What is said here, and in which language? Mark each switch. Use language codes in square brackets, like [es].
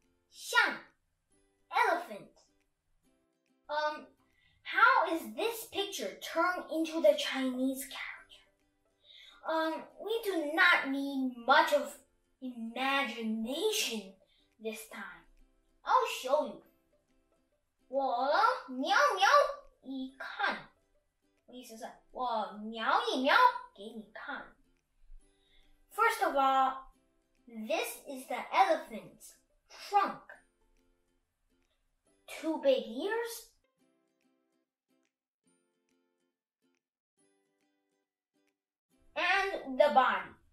[zh] 像 elephant. [en] How is this picture turned into the Chinese character? We do not need much of imagination this time. I'll show you. [zh] 我瞄瞄一看，意思是我瞄一瞄给你看。 [en] First of all, this is the elephant's trunk. Two big ears. And the body.